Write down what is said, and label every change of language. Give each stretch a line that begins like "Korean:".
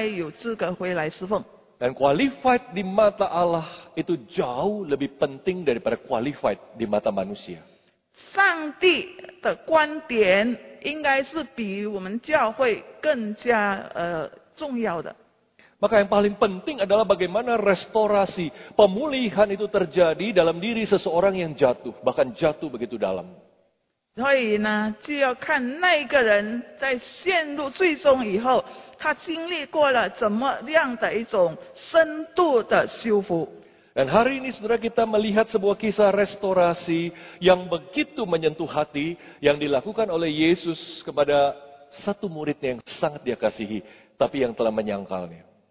Chinese: 相反的，有可能他虽然在众会有、在教会看来是没有资格再回来侍奉的当时，在上帝看到他有深度的这个悔改，而且已经被修复了，他应该有资格回来侍奉。
Indonesian: Dan qualified di mata Allah itu jauh lebih penting daripada qualified di mata manusia.
Chinese: 上帝的观点 应该是比我们教会更加重要的。
Indonesian: Maka yang paling penting adalah bagaimana restorasi, pemulihan itu terjadi dalam diri seseorang yang jatuh, bahkan jatuh begitu dalam.
Chinese: 所以呢，就要看那个人在陷入罪中以后，他经历过了怎么样的一种深度的修复。
Indonesian: Dan hari ini saudara kita melihat sebuah kisah restorasi yang begitu menyentuh hati yang dilakukan oleh Yesus kepada satu muridnya yang sangat dia kasihi, tapi yang telah menyangkalnya.